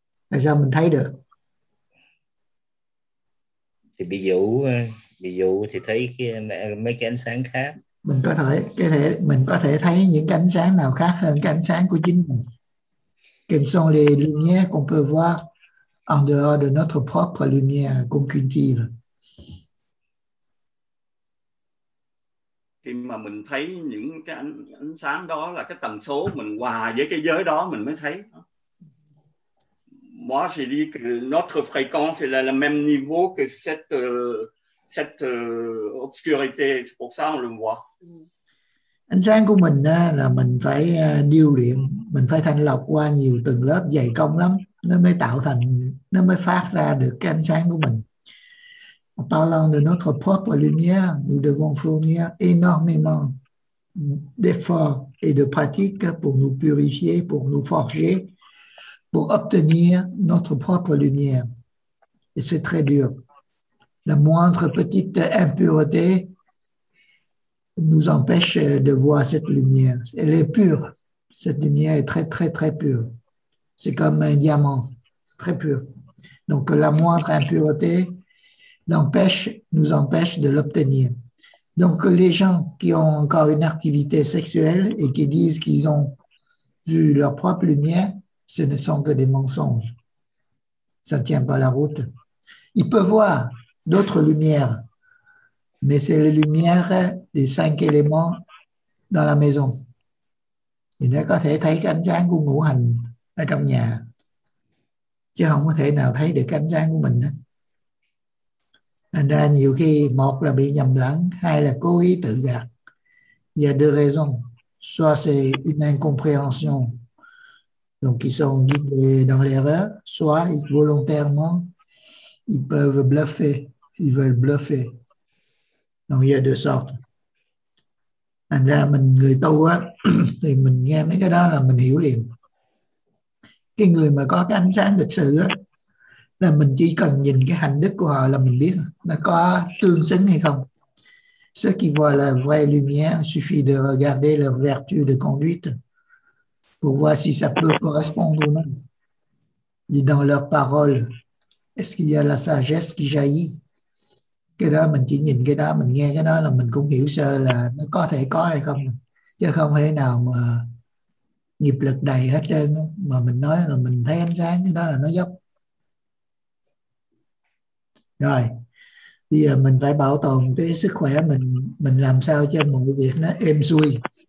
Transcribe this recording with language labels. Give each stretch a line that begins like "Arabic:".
Vietnamese: Tại sao mình thấy được? Ví dụ thì thấy mấy cái ánh sáng khác. Mình có thể mình có thể thấy những cái ánh sáng nào khác hơn cái ánh sáng của chính mình.
French: Quelles sont les lumières qu'on peut voir en dehors de notre propre lumière qu'on cultive?
Vietnamese: Khi mà mình thấy những cái ánh sáng đó là cái tần số mình hòa với cái giới đó mình mới thấy.
French: Moi, j'ai dit que notre fréquence est à le même niveau que cette obscurité, c'est pour ça on le voit.
Vietnamese: Ánh sáng của mình là mình phải điêu luyện, mình phải thanh lọc qua nhiều tầng lớp dày công lắm, nó mới tạo thành, nó mới phát ra được cái ánh sáng của mình.
French: Parlant de notre propre lumière, nous devons fournir énormément d'efforts et de pratiques pour nous purifier, pour nous forger, pour obtenir notre propre lumière. Et c'est très dur. La moindre petite impureté nous empêche de voir cette lumière. Elle est pure. Cette lumière est très, très, très pure. C'est comme un diamant. C'est très pur. Donc, la moindre impureté nous empêche de l'obtenir. Donc, les gens qui ont encore une activité sexuelle et qui disent qu'ils ont vu leur propre lumière, ce ne sont que des mensonges. Ça ne tient pas la route. Ils peuvent voir d'autres lumières, mais c'est les lumières des cinq éléments dans la maison. Ils ne peuvent pas voir les cinq éléments dans la maison.
Vietnamese: Chứ không có thể nào thấy được ánh sáng của mình. Thành ra nhiều khi một là bị nhầm lẫn, hai là cố ý tự gạt.
French: Il y a deux raisons. Soit c'est une incompréhension, donc ils sont guidés dans l'erreur, soit volontairement, ils peuvent bluffer, ils veulent bluffer. Donc il y a deux sortes.
Vietnamese: Thành ra mình người tu á, thì mình nghe mấy cái đó là mình hiểu liền. Cái người mà có cái ánh sáng thực sự đó, là mình chỉ cần nhìn cái hành đức của họ là mình biết nó có tương xứng hay không.
French: Ceux qui voient la vraie lumière, suffit de regarder leur vertu de conduite pour voir si ça peut correspondre ou non. Et dans leurs paroles, est-ce qu'il y a la sagesse qui jaillit?
Vietnamese: Cái đó mình chỉ nhìn cái đó, mình nghe cái đó là mình cũng hiểu sơ là nó có thể có hay không. Chứ không thể nào mà nghiệp lực đầy hết trơn mà mình nói là mình thấy ánh sáng, cái đó là nó dốc. Rồi bây giờ mình phải bảo tồn cái sức khỏe mình làm sao cho một cái việc nó êm xuôi.